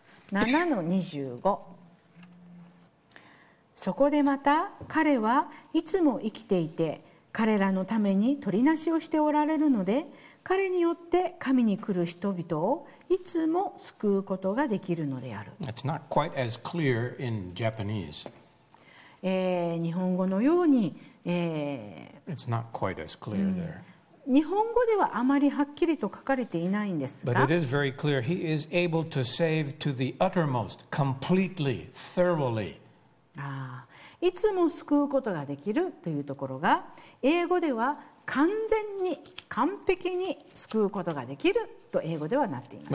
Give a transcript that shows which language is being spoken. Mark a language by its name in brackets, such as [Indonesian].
[Japanese] 7-25。そこでまた彼はいつも生きていて彼らのために取りなしをしておられるので彼によって神に来る人々をいつも救うことができるのである。 [English] It's not quite as clear in Japanese. [Japanese] 日本語のように、 [English] It's not quite as clear there. [Japanese] 日本語ではあまりはっきりと書かれていないんですが [English] But it is very clear. He is able to save to the uttermost, completely, thoroughly. [Japanese] いつも救うことができるというところが英語では完全に完璧に救うことができると英語ではなっています。